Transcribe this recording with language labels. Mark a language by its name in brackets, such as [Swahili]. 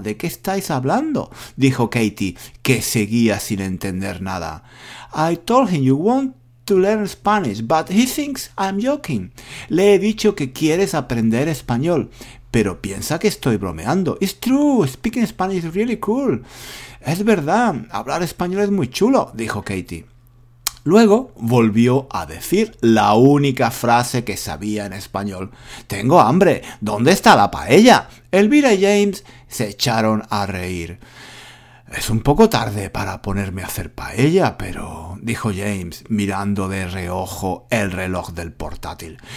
[Spanish] ¿De qué estáis hablando?», dijo Katie, que seguía sin entender nada. [English] «I told him you want to learn Spanish, but he thinks I'm joking». [Spanish] «Le he dicho que quieres aprender español, pero piensa que estoy bromeando». [English] «It's true, speaking Spanish is really cool». [Spanish] «Es verdad, hablar español es muy chulo», dijo Katie. Luego volvió a decir la única frase que sabía en español. «Tengo hambre, ¿dónde está la paella?». Elvira y James se echaron a reír. «Es un poco tarde para ponerme a hacer paella, pero...», dijo James, mirando de reojo el reloj del portátil.